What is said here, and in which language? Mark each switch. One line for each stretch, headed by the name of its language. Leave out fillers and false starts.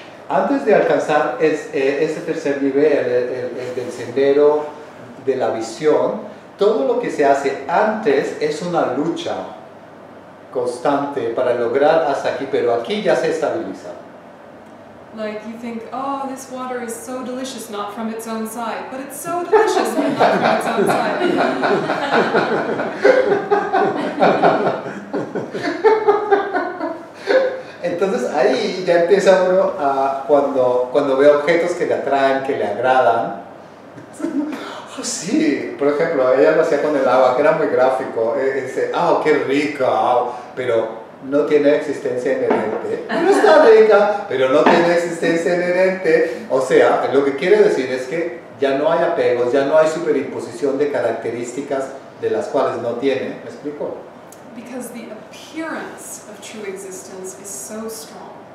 Spanish: Antes de alcanzar ese tercer nivel, el del sendero de la visión, todo lo que se hace antes es una lucha constante para lograr hasta aquí, pero aquí ya se estabiliza.
English: Like you think, oh, this water is so delicious, not from its own side, but it's so delicious, not from its own side.
Spanish: Entonces ahí ya empieza uno a cuando ve objetos que le atraen, que le agradan. Oh, sí, por ejemplo, ella lo hacía con el agua, que era muy gráfico. Dice, oh, qué rica, pero no tiene existencia inherente. No está rica, pero no tiene existencia inherente. O sea, lo que quiere decir es que ya no hay apegos, ya no hay superimposición de características de las cuales no tiene. ¿Me explico?
English: Because the appearance of true existence is so strong.